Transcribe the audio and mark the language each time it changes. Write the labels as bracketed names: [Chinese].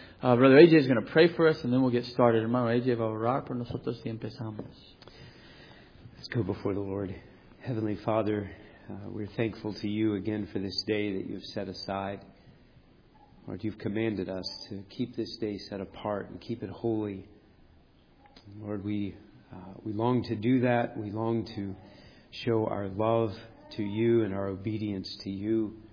[English] Brother AJ is going to pray for us and then we'll get started. [Spanish] Hermano AJ va a orar por nosotros y empezamos. [English] Let's go before the Lord. Heavenly Father, we're thankful to you again for this day that you've set aside. Lord, you've commanded us to keep this day set apart and keep it holy. Lord, we long to do that. We long to show our love to you and our obedience to you.